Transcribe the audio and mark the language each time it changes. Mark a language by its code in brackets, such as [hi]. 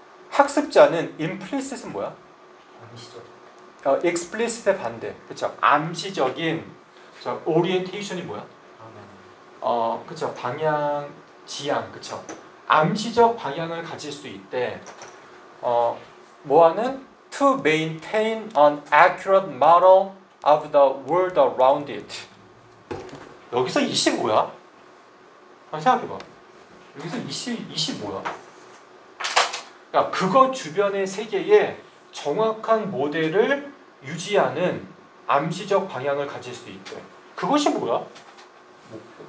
[ko] 학습자는 implicit은 뭐야? 암시적. explicit의 반대. 그렇죠. 암시적인. 자, orientation이 뭐야? 그쵸, 방향, 지향, 그쵸. 암시적 방향을 가질 수 있대. 뭐하는? [en] To maintain an accurate model of the world around it. [ko] 여기서 이시 뭐야? 한번 생각해봐. 여기서 이시 뭐야? 그러니까 그거 주변의 세계에 정확한 모델을 유지하는 암시적 방향을 가질 수 있대. 그것이 뭐야? 목표?